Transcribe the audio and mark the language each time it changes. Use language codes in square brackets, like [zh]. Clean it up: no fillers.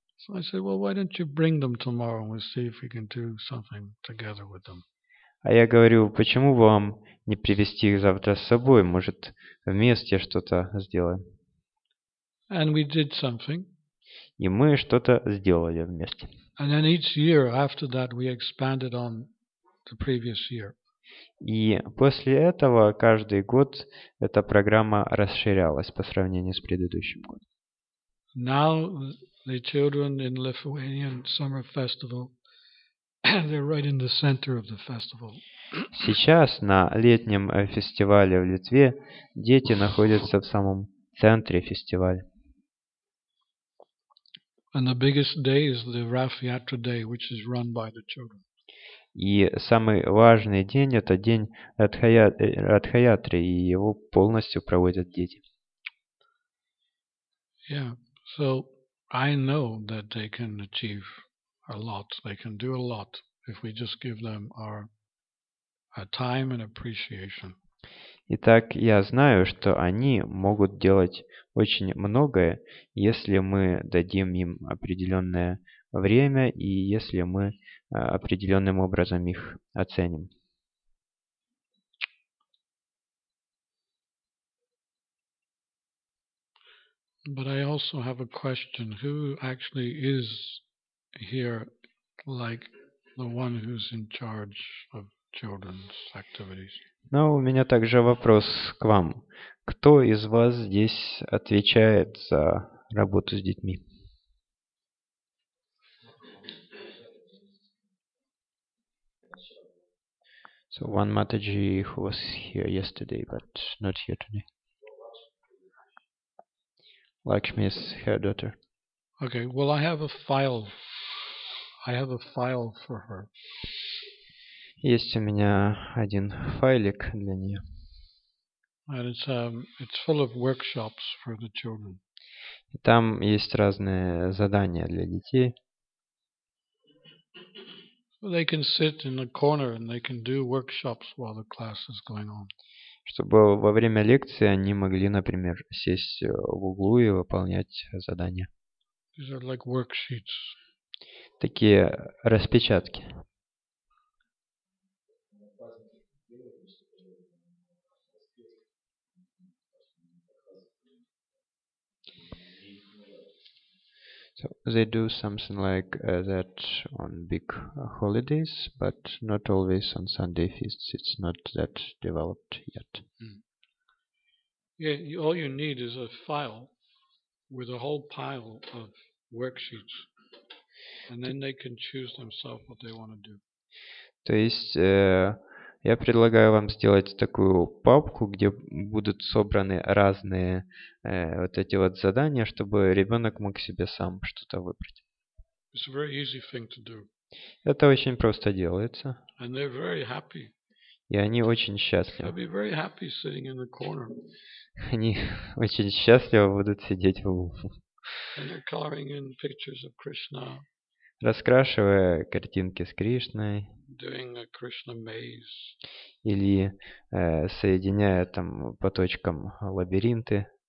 [en] So I said, well, why don't you bring them tomorrow and we'll see if we can do something together with them. [ru] А я говорю, почему вам не привести их завтра с собой? Может, вместе что-то сделаем? [en] And we did something. [ru] И мы что-то сделали вместе. [en] And then each year after that we expanded on the previous year. [ru] И после этого каждый год эта программа расширялась по сравнению с предыдущим годом. [en] Now the children in Lithuanian summer festival. They're right in the center of the festival. [ru] Сейчас на летнем фестивале в Литве дети находятся в самом центре фестиваля. [en] And the biggest day is the Raf Yatra day, which is run by the children. [ru] И самый важный день это день Радха-Ятри, и его полностью проводят дети. [en] Yeah, so I know that they can achieve a lot. They can do a lot if we just give them our time and appreciation. [ru] Итак, я знаю, что они могут делать очень многое, если мы дадим им определенное время и если мы определенным образом их оценим. [en] But I also have a question. Who actually is here like the one who's in charge of children's activities? [ru] Но у меня также вопрос к вам. Кто из вас здесь отвечает за работу с детьми? [en] So one Mataji who was here yesterday but not here today. Lakshmi is her daughter. Okay, well I have a file. I have a file for her. [ru] Есть у меня один файлик для нее. [en] And it's full of workshops for the children. [ru] И там есть разные задания для детей. [en] They can sit in the corner and they can do workshops while the class is going on. [ru] Чтобы во время лекции они могли, например, сесть в углу и выполнять задания. [en] These are like worksheets. [ru] Такие распечатки. [en] They do something like that on big holidays, but not always on Sunday feasts. It's not that developed yet. Mm. Yeah, all you need is a file with a whole pile of worksheets, and then they can choose themselves what they want to do. [ru] То есть я предлагаю вам сделать такую папку, где будут собраны разные вот эти вот задания, чтобы ребенок мог себе сам что-то выбрать. [en] It's a very easy thing to do. [ru] Это очень просто делается. [en] And they're very happy. [ru] И они очень счастливы. [en] They'll be very happy sitting in the corner. [ru] Они очень счастливо будут сидеть в углу. [en] And they're coloring in pictures of Krishna. [ru] Раскрашивая картинки с Кришной. [en] Doing a Krishna maze. [ru] Или соединяя там по точкам лабиринты.